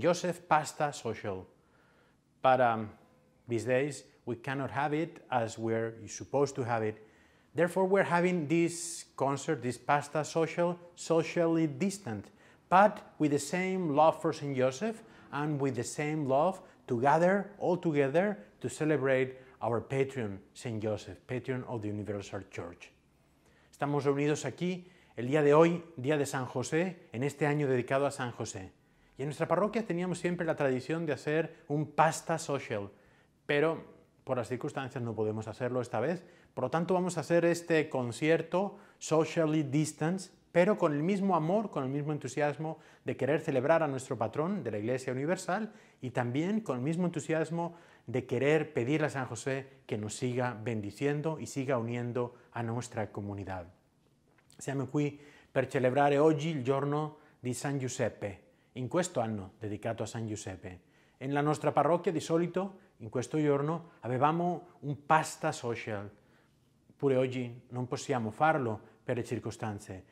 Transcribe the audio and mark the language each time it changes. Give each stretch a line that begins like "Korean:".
English: Joseph pasta social. But these days we cannot have it as we're supposed to have it. Therefore, we're having this concert, this pasta social, socially distant, but with the same love for St. Joseph and with the same love to gather all together to celebrate our patron, St. Joseph, patron of the Universal Church.
Spanish: Estamos reunidos aquí el día de hoy, día de San José, en este año dedicado a San José. Y en nuestra parroquia teníamos siempre la tradición de hacer un pasta social, pero por las circunstancias no podemos hacerlo esta vez. Por lo tanto, vamos a hacer este concierto
English: socially distanced,
Spanish: pero con el mismo amor, con el mismo entusiasmo de querer celebrar a nuestro patrón de la Iglesia Universal y también con el mismo entusiasmo de querer pedirle a San José que nos siga bendiciendo y siga uniendo a nuestra comunidad.
Italian: Siamo qui per celebrare oggi il giorno di San Giuseppe, in questo anno dedicato a San Giuseppe. In la nostra parrocchia di solito, in questo giorno, avevamo un pasta social. Pure oggi non possiamo farlo per le circostanze.